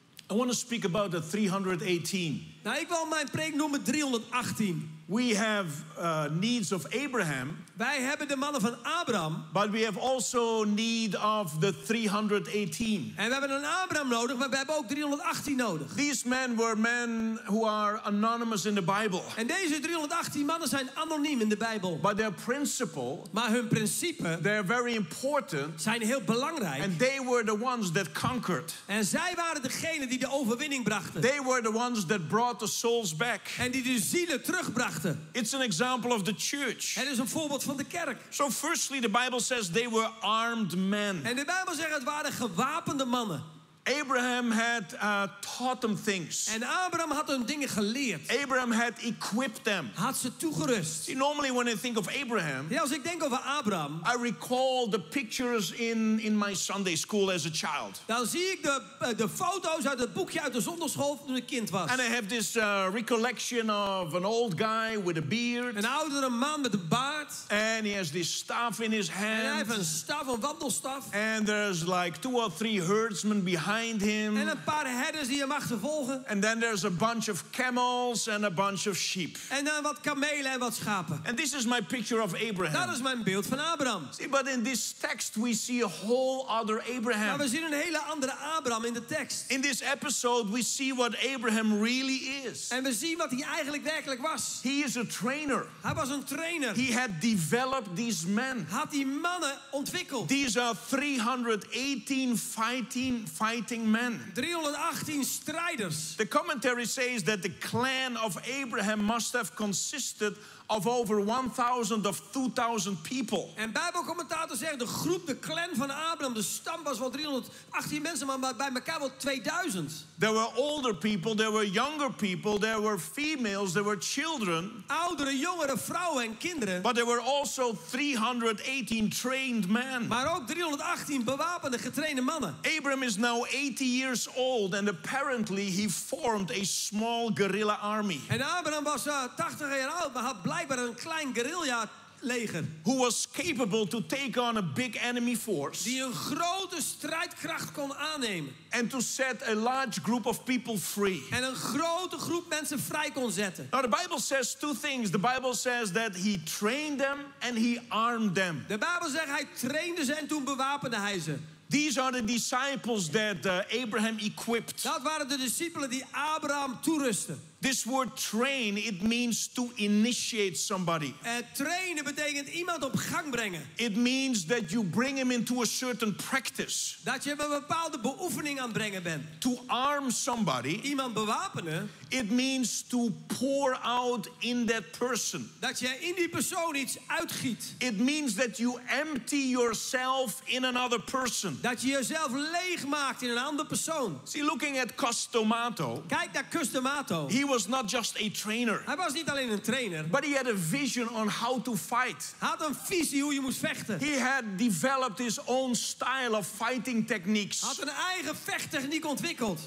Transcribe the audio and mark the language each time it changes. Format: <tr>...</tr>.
<en>I want to speak about the 318.</en> <nl>Nou, ik wil mijn preek noemen 318.</nl> <en>We have needs of Abraham.</en> <nl>Wij hebben de mannen van Abraham.</nl> <en>But we have also need of the 318.</en> <nl>En we hebben een Abraham nodig, maar we hebben ook 318 nodig.</nl> <en>These men were men who are anonymous in the Bible.</en> <nl>En deze 318 mannen zijn anoniem in de Bijbel.</nl> <en>But their principle.</en> <nl>Maar hun principe.</nl> <en>They're very important.</en> <nl>Zijn heel belangrijk.</nl> <en>And they were the ones that conquered.</en> <nl>En zij waren degene die de overwinning brachten.</nl> <en>They were the ones that brought the souls back.</en> <nl>En die de zielen terugbrachten.</nl> <en>It's an example of the church.</en> <nl>Het is een voorbeeld van de kerk.</nl> <en>So firstly, the Bible says they were armed men.</en> <nl>En de Bijbel zegt het waren gewapende mannen.</nl> <en>Abraham had taught them things.</en> <nl>En Abraham had hun dingen geleerd.</nl> <en>Abraham had equipped them.</en> <nl>Had ze toegerust.</nl> <en>See, normally when I think of Abraham,</en> <nl>ja, als ik denk over Abraham,</nl> <en>I recall the pictures in my Sunday school as a child.</en> <nl>Dan zie ik de foto's uit het boekje uit de zondagsschool toen ik kind was.</nl> <en>And I have this recollection of an old guy with a beard.</en> <nl>Een oudere man met een baard.</nl> <en>And he has this staff in his hand.</en> <nl>En hij heeft een staf, een wandelstaf.</nl> <en>And there's like two or three herdsmen behind him.</en> <nl>En een paar herders die hem achtervolgen.</nl> <en>And then there's a bunch of camels and a bunch of sheep.</en> <nl>En dan wat kamelen en wat schapen.</nl> <en>And this is my picture of Abraham.</en> <nl>Dat is mijn beeld van Abraham.</nl> <en>See, but in this text we see a whole other Abraham.</en> <nl>Maar we zien een hele andere Abraham in de tekst.</nl> <en>In this episode we see what Abraham really is.</en> <nl>En we zien wat hij eigenlijk werkelijk was.</nl> <en>He is a trainer.</en> <nl>Hij was een trainer.</nl> <en>He had developed these men.</en> <nl>Had die mannen ontwikkeld.</nl> <en>These are 318 fighting men.</en> <nl>318 strijders.</nl> <en>The commentary says that the clan of Abraham must have consisted of over 1,000 of 2,000 people.</en> <nl>En Bijbelcommentator zegt de groep, de clan van Abraham, de stam was wel 318 mensen, maar bij elkaar wel 2,000.</nl> <en>There were older people, there were younger people, there were females, there were children.</en> <nl>Oudere, jongere, vrouwen en kinderen.</nl> <en>But there were also 318 trained men.</en> <nl>Maar ook 318 bewapende, getrainde mannen.</nl> <en>Abraham is now 80 years old and apparently he formed a small guerrilla army.</en> <nl>En Abraham was 80 jaar oud, maar had blijkbaar een klein guerrilla leger.</nl> <en>Who was capable to take on a big enemy force.</en> <nl>Die een grote strijdkracht kon aannemen.</nl> <en>And to set a large group of people free.</en> <nl>En een grote groep mensen vrij kon zetten.</nl> <en>Now the Bible says two things. The Bible says that he trained them and he armed them.</en> <nl>De Bijbel zegt hij trainde ze en toen bewapende hij ze.</nl> <en>These are the disciples that Abraham equipped.</en> <nl>Dat waren de discipelen die Abraham toerustte.</nl> <en>This word train, it means to initiate somebody.</en> <nl>Trainen betekent iemand op gang brengen.</nl> <en>It means that you bring him into a certain practice.</en> <nl>Dat je hem een bepaalde beoefening aan brengen bent.</nl> <en>To arm somebody.</en> <nl>Iemand bewapenen.</nl> <en>It means to pour out in that person.</en> <nl>Dat je in die persoon iets uitgiet.</nl> <en>It means that you empty yourself in another person.</en> <nl>Dat je jezelf leeg maakt in een andere persoon.</nl> <en>See, looking at Customato.</en> <nl>Kijk naar Customato.</nl> <en>He was not just a trainer.</en> <nl>Hij was niet alleen een trainer.</nl> <en>But he had a vision on how to fight.</en> <nl>Had een visie hoe je moest vechten.</nl> <en>He had developed his own style of fighting techniques.</en> <nl>Had een eigen vechttechniek ontwikkeld.</nl>